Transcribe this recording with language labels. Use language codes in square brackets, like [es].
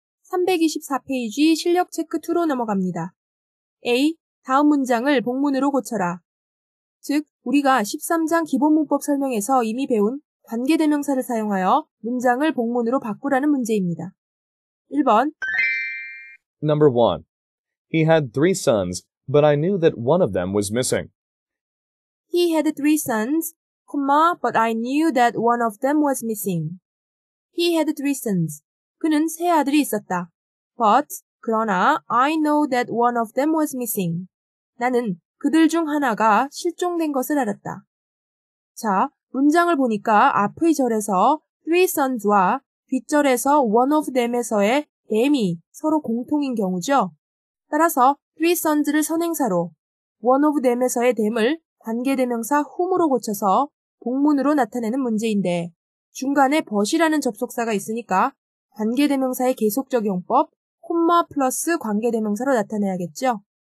[ko] 324페이지 실력체크 2로 넘어갑니다. A. 다음 문장을 복문으로 고쳐라. 즉, 우리가 13장 기본문법 설명에서 이미 배운 관계대명사를 사용하여 문장을 복문으로 바꾸라는 문제입니다. 1번 [en] Number 1. He had three sons, but I knew that one of them was missing. He had three sons, but I knew that one of them was missing. He had three sons. [ko] 그는 세 아들이 있었다. [en] But, 그러나, I know that one of them was missing. [ko] 나는 그들 중 하나가 실종된 것을 알았다. 자, 문장을 보니까 앞의 절에서 three sons와 뒷절에서 one of them에서의 them이 서로 공통인 경우죠. 따라서 three sons를 선행사로, one of them에서의 them을 관계대명사 whom으로 고쳐서 복문으로 나타내는 문제인데 중간에 but이라는 접속사가 있으니까 관계대명사의 계속적용법 콤마 플러스 관계대명사로 나타내야겠죠.